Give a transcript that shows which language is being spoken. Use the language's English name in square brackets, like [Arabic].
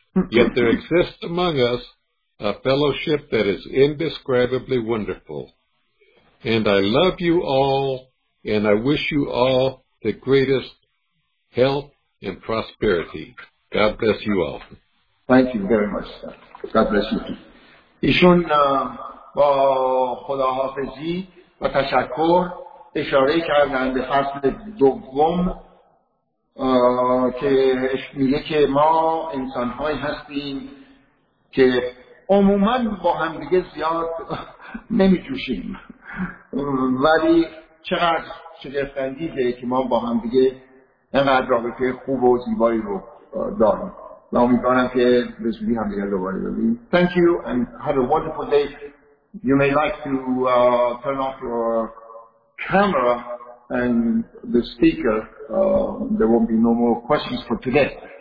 [English] Yet there exists among us a fellowship that is indescribably wonderful. And I love you all, and I wish you all the greatest health and prosperity. God bless you all. Thank you very much, sir. God bless you. [Persian] ایشون با خداحافظی و تشکر اشاره کردن به فصل دوم که میگه که ما انسان‌های هستیم که عموماً با هم دیگه زیاد نمی‌جوشیم، ولی چقدر شگفت‌انگیزه که ما با هم دیگه اینقدر رابطه خوب و زیبایی رو داریم. و امیدوارم که به زودی هم دیگه دوباره ببینیم. [English] Thank you and have a wonderful day. You may like to turn off your camera and the speaker. There won't be no more questions for today.